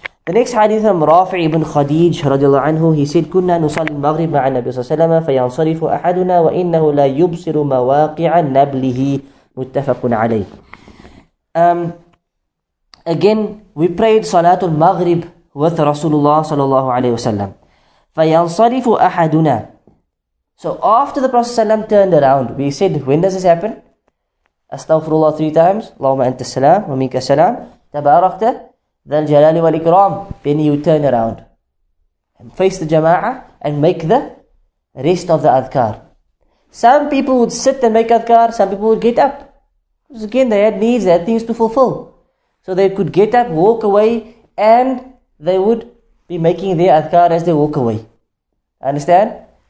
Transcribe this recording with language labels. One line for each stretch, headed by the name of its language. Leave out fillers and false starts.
English: The next hadith from Rafi ibn Khadij radiallahu anhu, he said,
Arabic: كُنَّا نُصَلِّ الْمَغْرِبَ مَعَ النَّبِيَ صَلَّى اللَّهُ عَلَيْهِ وَسَلَّمَ فَيَنْصَرِفُ أَحَدُنَا وَإِنَّهُ لَا يُبْصِرُ مَوَاقِعَ نَبْلِهِ مُتَّفَقٌ عَلَيْهِ.
English: Again, we prayed Salatul Maghrib with Rasulullah sallallahu alayhi wa sallam.
Arabic: فَيَنْصَرِفُ أَحَدُنَا.
English: So after the Prophet sallam turned around, we said, when does this happen? Astaghfirullah 3 times.
Arabic: اللهم أنت السلام ومنك السلام. تبارك ذا الجلال والإكرام.
English: Then you turn around and face the jama'ah and make the rest of the adhkar. Some people would sit and make adhkar, some people would get up. Because again, they had needs, they had things to fulfill. So they could get up, walk away, and they would be making their adhkar as they walk away. Understand?